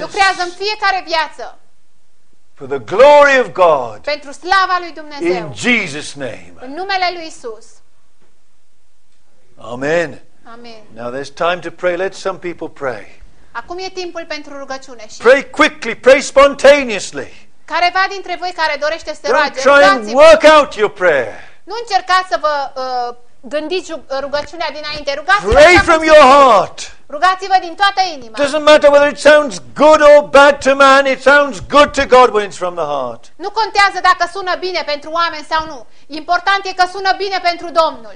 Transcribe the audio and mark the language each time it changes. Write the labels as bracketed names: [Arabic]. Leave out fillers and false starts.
[Romanian] Lucrează în fiecare viață. [English] For the glory of God. [Romanian] Pentru slava lui Dumnezeu. [English] In Jesus' name. [Romanian] În numele lui Iisus. Amen. Amen. [English] Now there's time to pray. Let some people pray. [Romanian] Acum e timpul pentru rugăciune și [English] pray quickly, pray spontaneously. [Romanian] Careva dintre voi care dorește să [English] don't [Romanian] roage, [English] try and work out your prayer. [Romanian] Nu încercați să vă gândiți rugăciunea dinainte. Rugați-vă. [English] Pray from your heart. [Romanian] Rugați-vă din toată inima. [English] Doesn't matter whether it sounds good or bad to man, it sounds good to God when it's from the heart. [Romanian] Nu contează dacă sună bine pentru oameni sau nu. Important e că sună bine pentru Domnul.